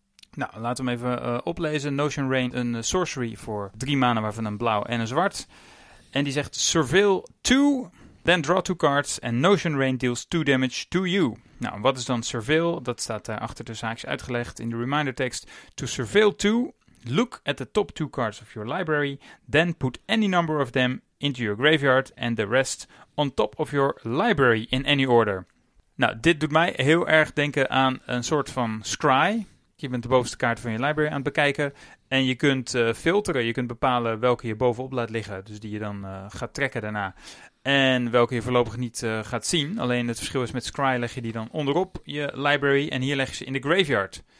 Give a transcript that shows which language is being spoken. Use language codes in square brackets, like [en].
[nl] Nou, laten we hem even oplezen. Notion Rain, een sorcery voor 3 mana, waarvan een blauw en een zwart. En die zegt [en] Surveil 2, then draw 2 cards. [nl] En Notion Rain [en] deals 2 damage to you. [nl] Nou, wat is dan Surveil? Dat staat daar achter de zaakjes uitgelegd in de reminder tekst. [en] To Surveil 2... Look at the top 2 cards of your library, then put any number of them into your graveyard and the rest on top of your library in any order. [nl] Nou, dit doet mij heel erg denken aan een soort van scry. Je bent de bovenste kaart van je library aan het bekijken en je kunt filteren. Je kunt bepalen welke je bovenop laat liggen, dus die je dan gaat trekken daarna. En welke je voorlopig niet gaat zien. Alleen het verschil is met scry leg je die dan onderop je library en hier leg je ze in de graveyard.